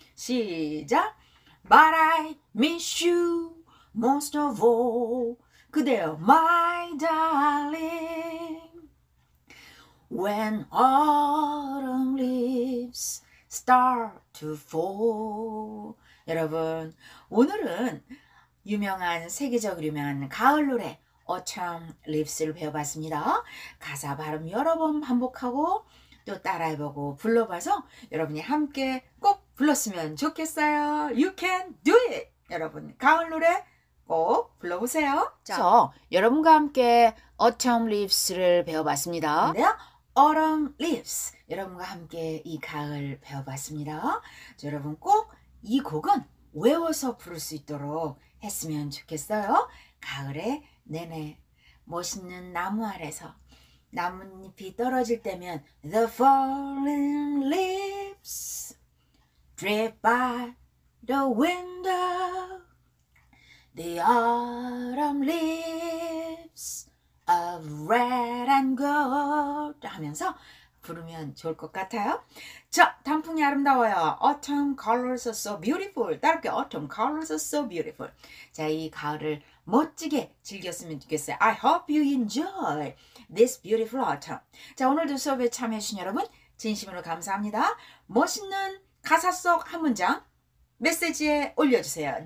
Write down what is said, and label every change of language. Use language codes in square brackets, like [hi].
[ko] 시작. [en] But I miss you most of all. 그대여. My darling. When autumn leaves start to fall. [ko] 여러분, 오늘은 유명한, 세계적으로 유명한 가을 노래. Autumn Leaves를 배워봤습니다. 가사 발음 여러 번 반복하고 또 따라해보고 불러봐서 여러분이 함께 꼭 불렀으면 좋겠어요. [en] You can do it! [ko] 여러분 가을 노래 꼭 불러보세요. 자, 저 여러분과 함께 Autumn Leaves를 배워봤습니다. 네, Autumn Leaves 여러분과 함께 이 가을 배워봤습니다. 여러분 꼭 이 곡은 외워서 부를 수 있도록 했으면 좋겠어요. 가을에 내내 멋있는 나무 아래서 나뭇잎이 떨어질 때면 [en] The fallen leaves drip by the window. The autumn leaves of red and gold 하면서 [ko] 부르면 좋을 것 같아요. 자, 단풍이 아름다워요. [en] Autumn colors are so beautiful. [ko] 따라올게. [en] Autumn colors are so beautiful. [ko] 자, 이 가을을 멋지게 즐겼으면 좋겠어요. [en] I hope you enjoy this beautiful autumn. [ko] 자, 오늘도 수업에 참여해주신 여러분 진심으로 감사합니다. 멋있는 가사 속 한 문장 메시지에 올려주세요.